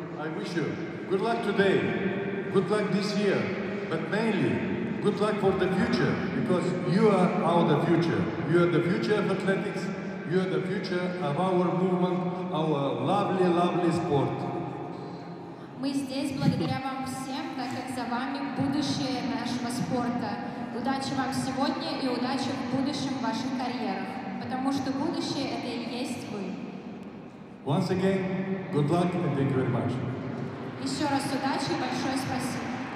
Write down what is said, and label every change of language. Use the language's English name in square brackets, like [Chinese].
[English] I wish you good luck today, good luck this year, but mainly good luck for the future, because you are our future. You are the future of athletics, you are the future of our movement, our lovely, lovely sport. [Russian] Мы здесь благодаря вам всем, так как за вами будущее нашего спорта. Удачи вам сегодня и удачи в будущем ваших карьерах, потому что будущее это и есть вы. [English] Once again, good luck and thank you very much. [Russian] Еще раз удачи и большое спасибо.